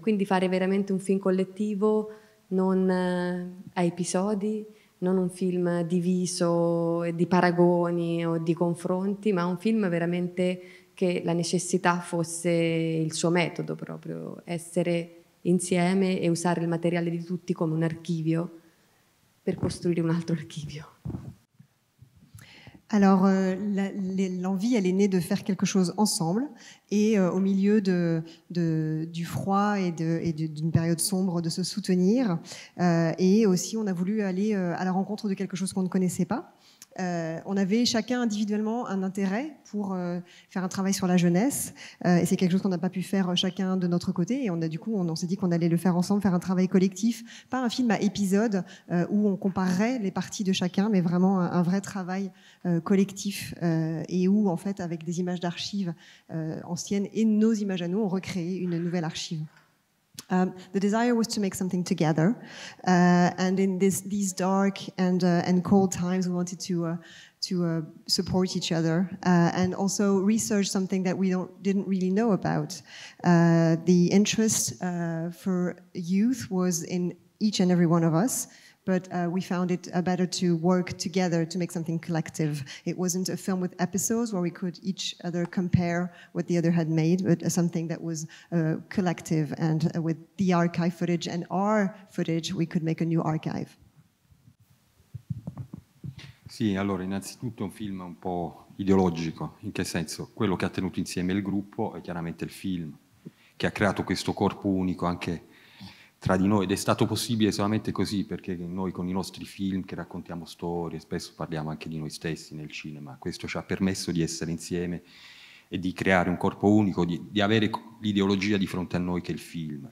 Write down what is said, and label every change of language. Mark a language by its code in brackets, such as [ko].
[it] Quindi fare veramente un film collettivo, non a episodi, non un film diviso di paragoni o di confronti, ma un film veramente che la necessità fosse il suo metodo proprio, essere insieme e usare il materiale di tutti come un archivio per costruire un altro archivio. [fr] Alors, l'envie, elle est née de faire quelque chose ensemble. Et au milieu du froid et d'une période sombre, de se soutenir. Et aussi, on a voulu aller à la rencontre de quelque chose qu'on ne connaissait pas. On avait chacun individuellement un intérêt pour faire un travail sur la jeunesse. Et c'est quelque chose qu'on n'a pas pu faire chacun de notre côté. Et on s'est dit qu'on allait le faire ensemble, faire un travail collectif. Pas un film à épisode où on comparerait les parties de chacun, mais vraiment un vrai travail collectif. Et où, en fait, avec des images d'archives anciennes et nos images à nous, on recréait une nouvelle archive. [en] The desire was to make something together, and in these dark and cold times, we wanted to support each other and also research something that we didn't really know about. The interest for youth was in each and every one of us, but we found it better to work together to make something collective. It wasn't a film with episodes where we could each other compare what the other had made, but something that was collective. And with the archive footage and our footage, we could make a new archive. [it] Sì, allora, innanzitutto un film un po' ideologico. In che senso? Quello che ha tenuto insieme il gruppo è chiaramente il film che ha creato questo corpo unico anche tra di noi, ed è stato possibile solamente così, perché noi con i nostri film che raccontiamo storie, spesso parliamo anche di noi stessi nel cinema, questo ci ha permesso di essere insieme e di creare un corpo unico, di avere l'ideologia di fronte a noi che è il film.